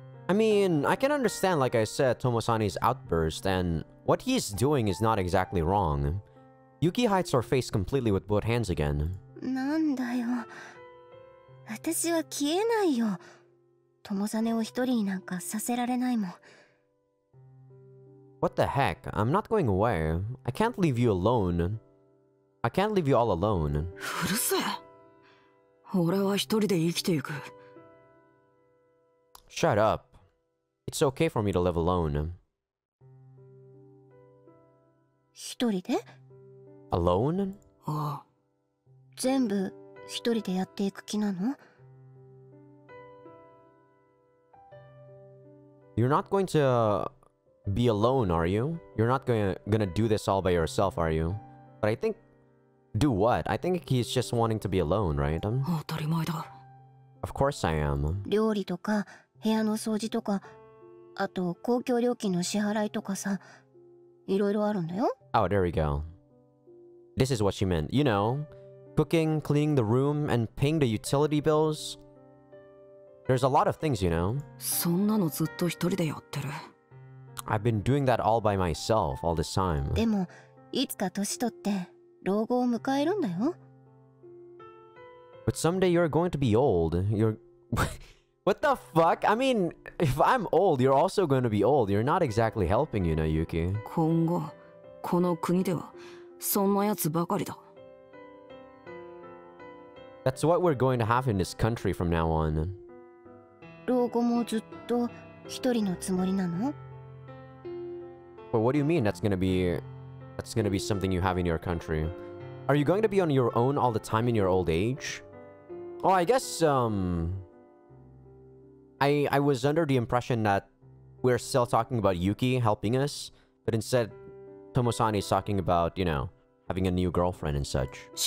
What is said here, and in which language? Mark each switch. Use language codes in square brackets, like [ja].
[en] I mean, I can understand, like I said, Tomosani's outburst, and what he's doing is not exactly wrong. Yuki hides her face completely with both hands again. [ja] なんだよ。私は消えないよ。トモサネを一人になんかさせられないもん。 [en] What the heck? I'm not going away. I can't leave you alone. I can't leave you all alone. [ja] うるせえ。俺は一人で生きていく。 [en] Shut up. It's okay for me to live alone. [ja] 一人で? [en] Alone? [ja] ああ。全部一人でやっていく気なの? [en] You're not going to be alone, are you? You're not gonna do this all by yourself, are you? But I think... Do what? I think he's just wanting to be alone, right? [ja] 当たり前だ。 [en] Of course I am. [ja] 料理とか部屋の掃除とか、あと公共料金の支払いとかさ、いろいろあるんだよ。 [en] Oh, there we go. This is what she meant. You know... Cooking, cleaning the room, and paying the utility bills. There's a lot of things, you know. [ja] そんなのずっと一人でやってる。 [en] I've been doing that all by myself all this time. [ja] でも、いつか年取って老後を迎えるんだよ。 [en] But someday you're going to be old. You're... What the fuck? I mean, if I'm old, you're also going to be old. You're not exactly helping, you know, Yuki. [ja] 今後、この国ではそんなやつばかりだ。 [en] That's what we're going to have in this country from now on. [ja] 老後もずっと一人のつもりなの? [en] Well, what do you mean? That's gonna be something you have in your country. Are you going to be on your own all the time in your old age? Oh, I guess, I was under the impression that we're still talking about Yuki helping us, but instead, Tomo-san is talking about, you know, having a new girlfriend and such.